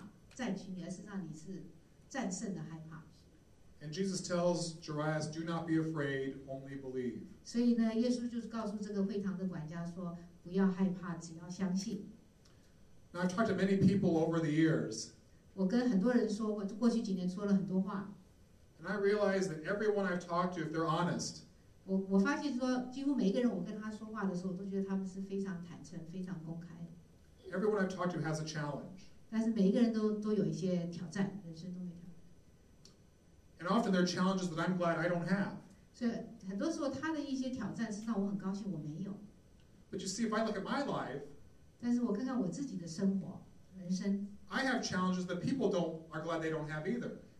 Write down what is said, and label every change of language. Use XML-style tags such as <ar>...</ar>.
<zh>他说那个有信心的话，就是说你不会让那个害怕占据你，而是让你是战胜的害怕。</zh> <en>And Jesus tells Jairus, do not be afraid, only believe.</en> <zh>所以呢，耶稣就是告诉这个会堂的管家说，不要害怕，只要相信。</zh> <en>Now I've talked to many people over the years.</en> <zh>我跟很多人说过，过去几年说了很多话。</zh> <en>And I realize that everyone I've talked to, if they're honest,</en> <zh>我发现说，几乎每一个人我跟他说话的时候，都觉得他们是非常坦诚，非常公开。</zh> <en>Everyone I've talked to has a challenge.</en> <zh>但是每一个人都有一些挑战，人生都有挑战。</zh> <en>And often there are challenges that I'm glad I don't have.</en> <zh>所以很多时候他的一些挑战，实际上我很高兴我没有。</zh> <en>But you see, if I look at my life,</en> <zh>但是我看看我自己的生活，人生。</zh> <en>I have challenges that people are glad they don't have either.</en>